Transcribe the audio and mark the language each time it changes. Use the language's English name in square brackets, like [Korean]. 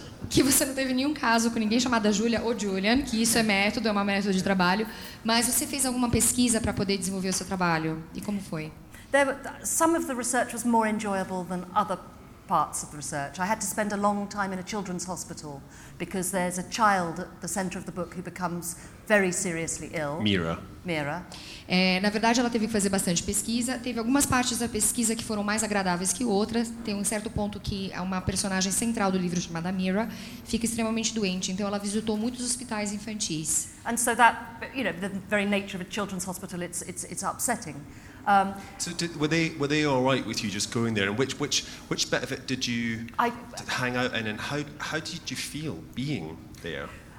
[Portuguese] Que você não teve nenhum caso com ninguém chamada Julia ou Julian, que isso é método, é uma método de trabalho, mas você fez alguma pesquisa para poder desenvolver o seu trabalho? E como foi? [English] Some of the research was more enjoyable than other parts of the research. I had to spend a long time in a children's hospital because there's a child at the center of the book who becomes very seriously ill. Mira. [Portuguese] Na verdade, ela teve que fazer bastante pesquisa. Teve algumas partes da pesquisa que foram mais agradáveis que outras. Tem um certo ponto que uma personagem central do livro chamada Mira fica extremamente doente. Então, ela visitou muitos hospitais infantis. [English] And so that, you know, the very nature of a children's hospital, it's upsetting. Were they all right with you just going there? And which bit of it did you hang out in? And how did you feel being there?